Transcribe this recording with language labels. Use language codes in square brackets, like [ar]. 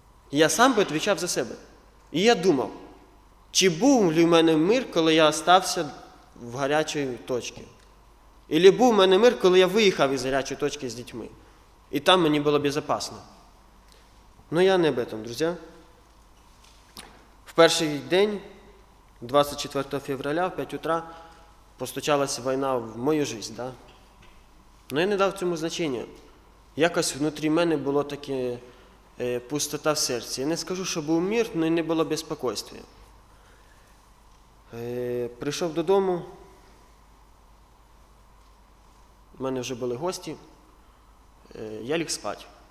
[uk] Я сам би відповідав за себе. І я думав, чи був ли в мене мир, коли я залишився в гарячій точці? Ілі був в мене мир, коли я виїхав із гарячої точки з дітьми? І там мені було безпечно. [ru] Но я не об этом, друзья. [uk] В перший день, [ru] 24 февраля, в 5 утра, постучалась война в мою жизнь, да? [uk] Но я не дав цьому значення. Якось внутрі мене було таке пустота в серці. Я не скажу, що був мир, но і не було безпокійства. Прийшов додому, у мене вже були гості, я ліг спати.